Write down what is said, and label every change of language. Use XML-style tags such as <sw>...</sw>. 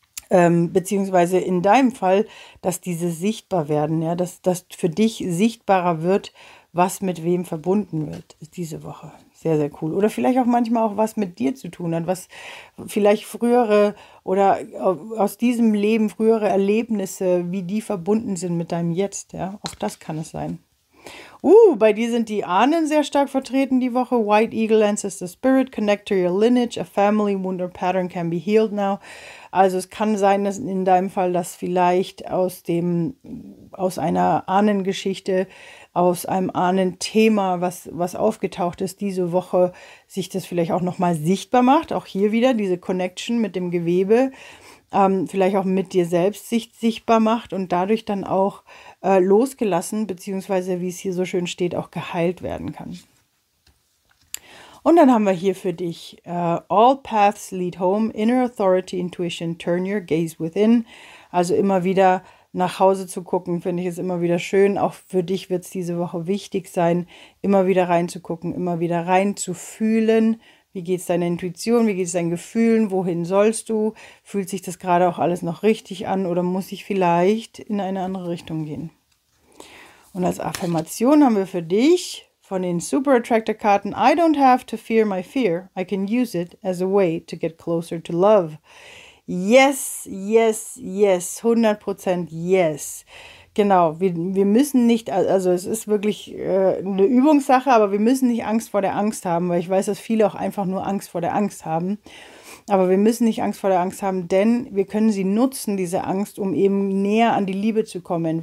<de>Beziehungsweise in deinem Fall, dass diese sichtbar werden, ja, dass das für dich sichtbarer wird, was mit wem verbunden wird, ist diese Woche. Sehr, sehr cool. Oder vielleicht auch manchmal auch was mit dir zu tun hat, was vielleicht frühere oder aus diesem Leben frühere Erlebnisse, wie die verbunden sind mit deinem Jetzt, ja, auch das kann es sein. Bei dir sind die Ahnen sehr stark vertreten die Woche.</de> <en>White Eagle, Ancestor Spirit, connect to your lineage, a family wound or pattern can be healed now.</en> <de>Also es kann sein, dass in deinem Fall, dass vielleicht aus einer Ahnengeschichte, aus einem Ahnenthema, was aufgetaucht ist diese Woche, sich das vielleicht auch nochmal sichtbar macht. Auch hier wieder diese Connection mit dem Gewebe, vielleicht auch mit dir selbst sich sichtbar macht und dadurch dann auch losgelassen, beziehungsweise wie es hier so schön steht, auch geheilt werden kann. Und dann haben wir hier für dich</de> <en>All paths lead home, inner authority, intuition, turn your gaze within.</en> <de>Also immer wieder nach Hause zu gucken, finde ich es immer wieder schön. Auch für dich wird es diese Woche wichtig sein, immer wieder reinzugucken, immer wieder reinzufühlen. Wie geht es deiner Intuition? Wie geht es deinen Gefühlen? Wohin sollst du? Fühlt sich das gerade auch alles noch richtig an oder muss ich vielleicht in eine andere Richtung gehen? Und als Affirmation haben wir für dich von den Super Attractor Karten:</de> <en>I don't have to fear my fear. I can use it as a way to get closer to love. Yes, 100% yes.</en> <de>Genau, wir müssen nicht, also es ist wirklich eine Übungssache, aber wir müssen nicht Angst vor der Angst haben, weil ich weiß, dass viele auch einfach nur Angst vor der Angst haben. Aber wir müssen nicht Angst vor der Angst haben, denn wir können sie nutzen, diese Angst, um eben näher an die Liebe zu kommen.</de>